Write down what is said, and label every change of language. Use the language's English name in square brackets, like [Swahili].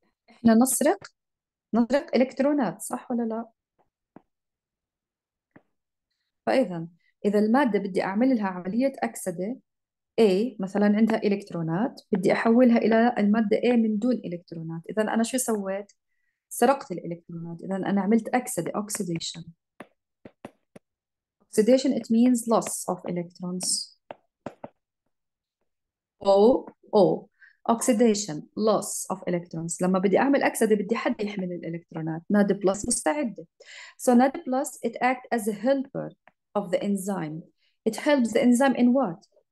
[Arabic] إحنا نسرق إلكترونات، صح ولا لا؟ فإذا المادة بدي أعمل لها عملية أكسدة، A مثلا عندها إلكترونات، بدي أحولها إلى المادة A من دون إلكترونات، إذا أنا شو سويت؟ سرقت الإلكترونات، إذا أنا عملت أكسدة، أوكسيديشن. [English] Oxidation it means loss of electrons. O oxidation, loss of electrons. [Arabic] لما بدي أعمل أكسدة بدي حد يحمل الإلكترونات، ناد بلس مستعدة. [English] So NAD plus it act as a helper of the enzyme. It helps the enzyme in what?